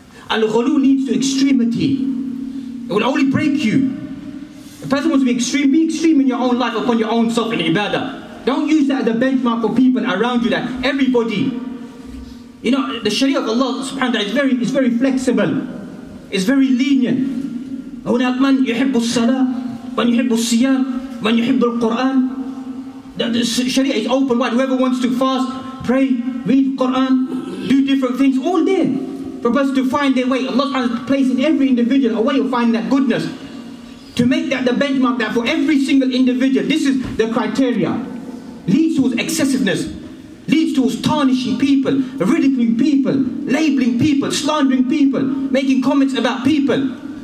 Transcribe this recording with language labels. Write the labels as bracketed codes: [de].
[en] Al-Ghulu leads to extremity. It will only break you. A person wants to be extreme in your own life upon your own self in ibadah. Don't use that as a benchmark for people around you, that everybody. You know, the Sharia of Allah subhanahu wa ta'ala is very flexible. It's very lenient. [ar] هناك من يحب الصلاة من يحب الصيام من يحب القرآن. [en] The Sharia is open wide. Whoever wants to fast, pray, read Quran, do different things, all there for us to find their way. Allah has placed in every individual a way of finding that goodness, to make that the benchmark, that for every single individual, this is the criteria. Leads towards excessiveness, leads towards tarnishing people, ridiculing people, labeling people, slandering people, making comments about people.